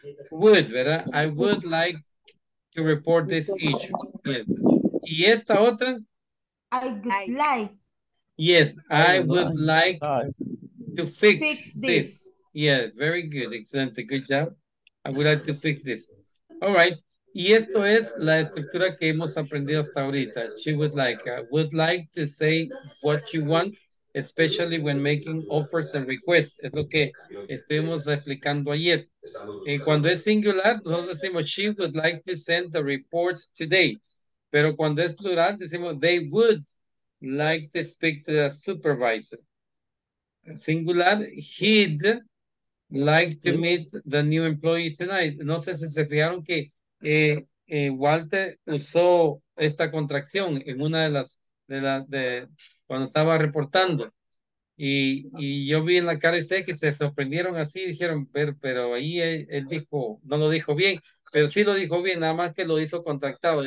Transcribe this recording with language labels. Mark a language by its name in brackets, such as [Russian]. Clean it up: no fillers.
[English] Would, [Spanish] ¿verdad? [English] I would like to report this issue. Yes. [Spanish] ¿Y esta otra? [English] I would like. Yes, I would like to fix this. Yeah, very good. Excellent. Good job. I would like to fix this. All right. [Spanish] Y esto es la estructura que hemos aprendido hasta ahorita. [English] She would like. I would like to say what you want, especially when making offers and requests. [Spanish] Es lo que estuvimos explicando ayer. Y cuando es singular, nosotros decimos, [English] she would like to send the reports today. [Spanish] Pero cuando es plural, decimos, [English] they would like to speak to the supervisor. Singular, he'd like to meet the new employee tonight. [Spanish] No sé si se fijaron que Walter usó esta contracción en una de las cuando estaba reportando. Y yo vi en la cara de usted que se sorprendieron así, dijeron, pero ahí él dijo, no lo dijo bien, pero sí lo dijo bien, nada más que lo hizo contractado.